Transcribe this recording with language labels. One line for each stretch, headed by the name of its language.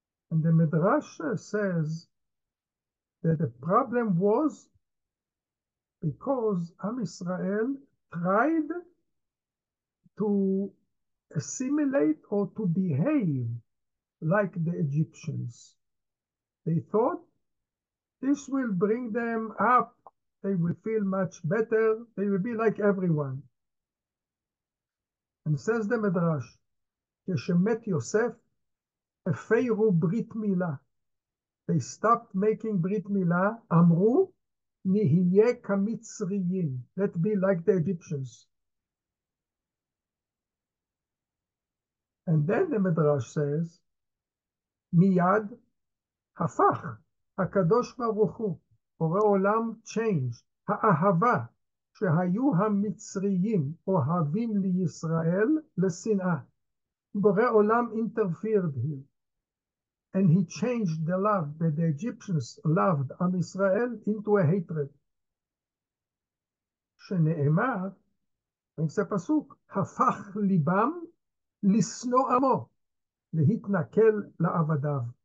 English: And the Midrash says that the problem was because Am Israel tried to assimilate or to behave like the Egyptians. They thought this will bring them up, they will feel much better, they will be like everyone. And says the Midrash,
Hebrew: כשמת יוסף, הפרו ברית מילה.
English: They stopped making
Hebrew: ברית מילה, אמרו, נהיה כמצריים.
English: Let be like the Egyptians. And then the Midrash says,
Hebrew: מיד הפך, הקדוש ברוך הוא, הורי עולם
English: changed,
Hebrew: האהבה, שהיו המצריים אוהבים לישראל לשנאה.
English: בורא עולם interfered him. And he changed the love that the Egyptians loved on Israel into a hatred.
Hebrew: שנאמר, איזה פסוק, הפך ליבם לשנוא עמו, להתנכל לעבדיו.